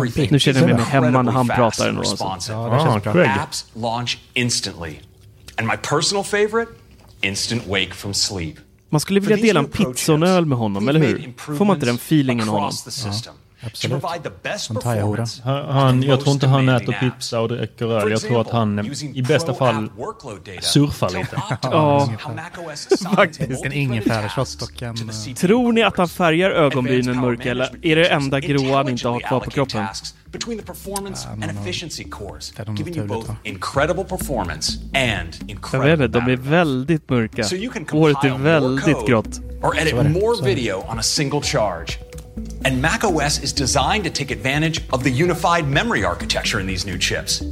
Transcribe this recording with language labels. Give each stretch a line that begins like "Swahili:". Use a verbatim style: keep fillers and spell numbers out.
Swedish: Nu känner jag mig hemma när han pratar ändå.
English: Ja, apps launch instantly. And my personal favorite, instant wake from sleep.
Swedish: Man skulle vilja dela en pizza och öl med honom, eller hur? Får man inte den feelingen av honom? Ja. Absolut. Han, han, jag tror inte han äter pizza och dricker öl. Jag tror att han i bästa fall surfar lite. Ja, faktiskt. En ingefärsshot och en... Tror ni att han färgar ögonbrynen mörka eller är det enda gråa han inte har kvar på kroppen?
English: Between the performance and efficiency cores, giving you both incredible performance and incredible.
Swedish: De är väldigt mörka. Håret är väldigt grått.
English: Or edit more video on a single charge. And macOS is designed to take advantage of the unified memory architecture in these new chips.